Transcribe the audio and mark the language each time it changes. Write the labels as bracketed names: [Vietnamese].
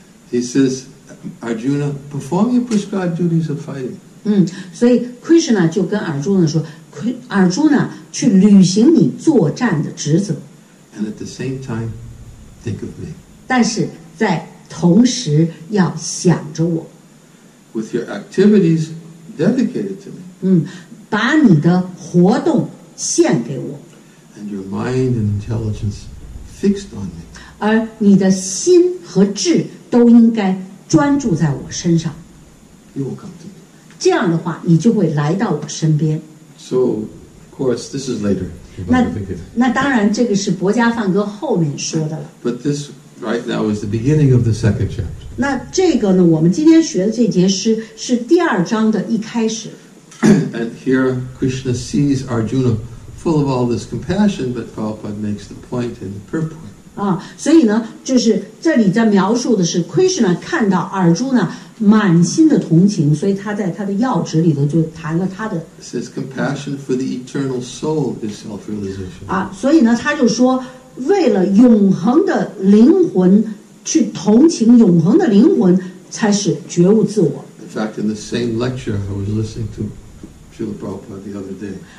[English] He says, Arjuna, perform your prescribed duties of fighting. [Chinese] 所以 Krishna 就跟 Arjuna 说 ，Arjuna 去履行你作战的职责。 [English] And at the same time, think of me. [Chinese] 但是在同时要想着我。 [English] With your activities dedicated to me. [Chinese] 把你的活动献给我。 [English] And your mind and intelligence fixed on me. [Chinese] 而你的心和智都应该专注在我身上。 [English] You will come to me. [Chinese] 这样的话，你就会来到我身边。 [English] So, of course, this is later. [Chinese] 那当然，这个是《薄伽梵歌》后面说的了。 [English] But this. Right now is the beginning of the second chapter. [Chinese] 那这个呢？我们今天学的这节诗是第二章的一开始。 [English] And here Krishna sees Arjuna full of all this compassion, but Prabhupada makes the point in the purport. [Chinese] 所以呢，就是这里在描述的是 Krishna 看到 Arjuna 满心的同情，所以他在他的要旨里头就谈了他的。 [English] It says compassion for the eternal soul is self-realization. [Chinese] 所以呢，他就说。为了永恒的灵魂去同情永恒的灵魂才是觉悟自我。 [English] In fact, in the same lecture I was listening to Srila Prabhupada the other day.